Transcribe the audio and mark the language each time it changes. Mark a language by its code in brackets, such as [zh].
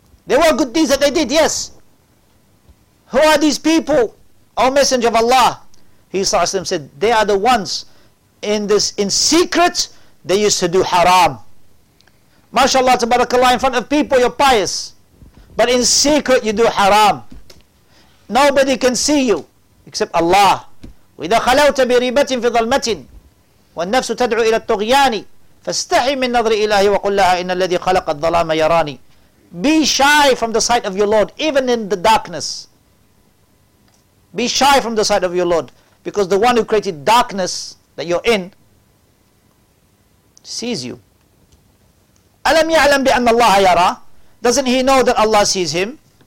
[en] There were good deeds that they did, yes. Who are these people? Our Messenger of Allah, he said, they are the ones in secret they used to do haram. MashaAllah, tabarakallah, in front of people you're pious, but in secret you do haram. Nobody can see you except Allah. [ar] وَإِذَا خَلَوْتَ بِرِيبَةٍ فِي ظَلْمَةٍ والنفس تدعو إلى الطغيان فاستحي من نظر إلهي وقل لها إن الذي خلق الظلام يراني. [en] Be shy from the sight of your Lord, even in the darkness. Be shy from the sight of your Lord, because the one who created darkness that you're in sees you. [ar] ألم يعلم بأن الله يرى. [en] Doesn't he know that Allah sees him?